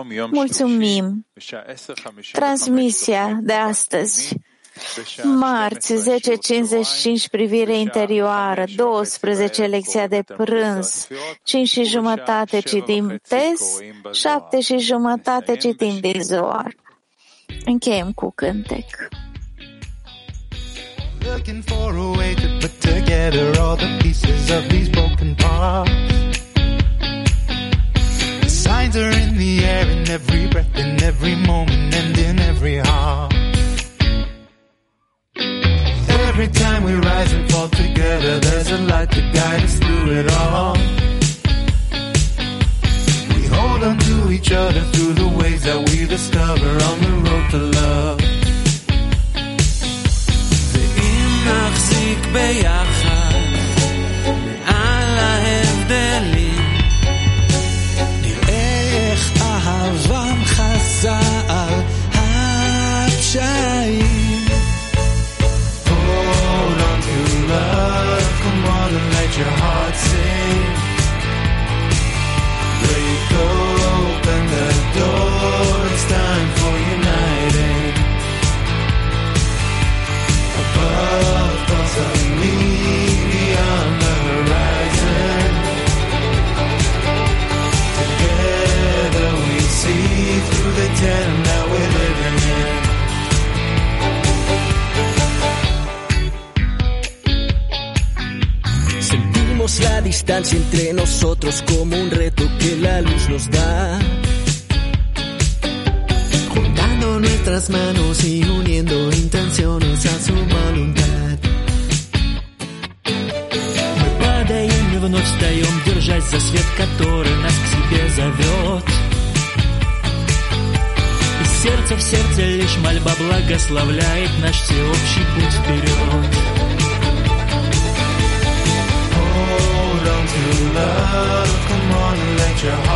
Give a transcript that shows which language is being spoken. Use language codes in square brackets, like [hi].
[ro] Mulțumim! Transmisia de astăzi, Marți, 10:55, privire interioară, 12, lecția de prânz, 5:30, citim Tes, 7:30, citim din Zohar. Încheiem cu cântec. [en] Looking for a way to put together all the pieces of these broken parts. The signs are in the air, in every breath, in every moment, and in every heart. Every time we rise and fall together, there's a light to guide us through it all. We hold on to each other through the ways that we discover on the road to love. [he] נחזיק ביחד מעל ההבדלים, נראה איך אהבה מחזה על הפשעים. [en] Hold on to love, come on and let your heart sing. Break open the door, it's time for uniting. Above [es] sentimos la distancia entre nosotros como un reto que la luz nos da. Juntando nuestras manos y uniendo intenciones a su voluntad. [ru] Мы падаем и вновь встаем, держась за свет, который нас к себе зовет. Сердце в сердце лишь мольба благословляет наш всеобщий путь вперед. [en] Hold on to love, come on and let your